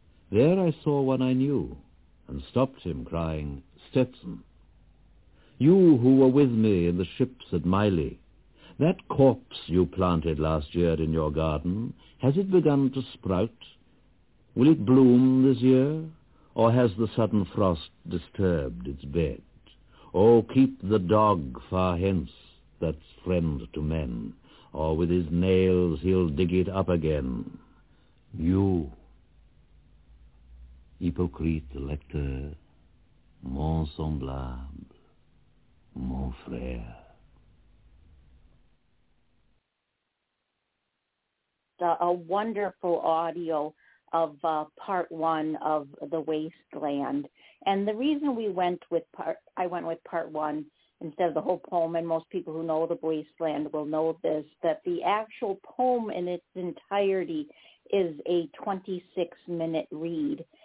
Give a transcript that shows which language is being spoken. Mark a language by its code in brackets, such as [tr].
[en] There I saw one I knew and stopped him, crying, Stetson, you who were with me in the ships at Miley, that corpse you planted last year in your garden, has it begun to sprout? Will it bloom this year? Or has the sudden frost disturbed its bed? Oh, keep the dog far hence that's friend to men, or with his nails he'll dig it up again. You, [fr] hypocrite lecteur, mon semblable, mon frère. [en] A wonderful audio of part one of The Wasteland. And the reason I went with part one instead of the whole poem, and most people who know The Wasteland will know this, that the actual poem in its entirety is a 26-minute read.